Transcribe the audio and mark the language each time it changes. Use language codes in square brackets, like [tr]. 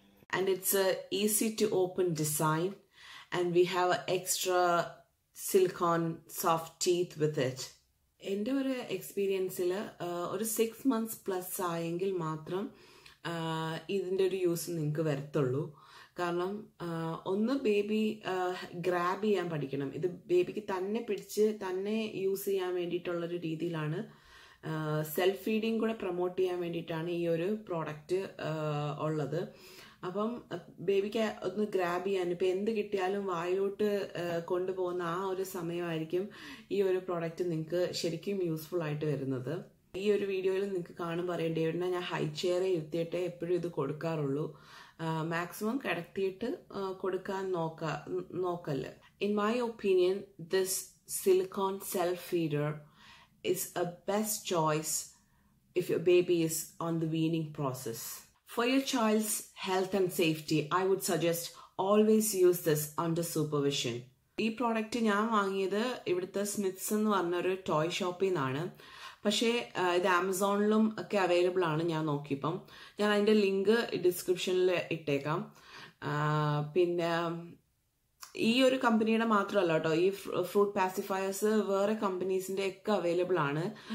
[en] And it's a easy to open design, and we have an extra silicone soft teeth with it. [ml] എൻ്റെ ഒരു എക്സ്പീരിയൻസിൽ ഒരു 6 months plus ആയെങ്കിൽ മാത്രം ഇതിൻ്റെ ഒരു യൂസ് നിങ്ങൾക്ക് വരത്തുള്ളൂ. കാരണം ഒന്ന് ബേബി ഗ്രാബ് ചെയ്യാൻ പഠിക്കണം. ഇത് ബേബിക്ക് തന്നെ പിടിച്ച് തന്നെ യൂസ് ചെയ്യാൻ വേണ്ടിയിട്ടുള്ളൊരു രീതിയിലാണ്. സെൽഫ് ഫീഡിങ് കൂടെ പ്രൊമോട്ട് ചെയ്യാൻ വേണ്ടിയിട്ടാണ് ഈ ഒരു പ്രോഡക്റ്റ് ഉള്ളത്. അപ്പം ബേബിക്ക് ഒന്ന് ഗ്രാബ് ചെയ്യാൻ, ഇപ്പം എന്ത് കിട്ടിയാലും വായിലോട്ട് കൊണ്ടുപോകുന്ന ആ ഒരു സമയമായിരിക്കും ഈ ഒരു പ്രോഡക്റ്റ് നിങ്ങൾക്ക് ശരിക്കും യൂസ്ഫുൾ ആയിട്ട് വരുന്നത്. ഈ ഒരു വീഡിയോയിൽ നിങ്ങൾക്ക് കാണും പറയേണ്ടി വരുന്ന ഞാൻ ഹൈ ചെയറേ ഇരുത്തിയിട്ടേ എപ്പോഴും ഇത് കൊടുക്കാറുള്ളൂ. മാക്സിമം കിടത്തിയിട്ട് കൊടുക്കാൻ നോക്കല്ല. [en] In my opinion this silicone self feeder is a best choice if your baby is on the weaning process. For your child's health and safety, I would suggest always use this under supervision. [ml] ഈ product ഞാൻ വാങ്ങിയത് ഇവിടുത്തെ smiths എന്ന് പറഞ്ഞൊരു toy ഷോപ്പിൽ നിന്നാണ്. പക്ഷേ ഇത് ആമസോണിലും ഒക്കെ അവൈലബിൾ ആണ് ഞാൻ നോക്കിയപ്പം. ഞാൻ അതിൻ്റെ ലിങ്ക് ഡിസ്ക്രിപ്ഷനിൽ ഇട്ടേക്കാം. പിന്നെ ഈ ഒരു കമ്പനിയുടെ മാത്രമല്ല കേട്ടോ, ഈ ഫ്രൂട്ട് പാസിഫയേഴ്സ് വേറെ കമ്പനീസിൻ്റെ ഒക്കെ അവൈലബിൾ ആണ്.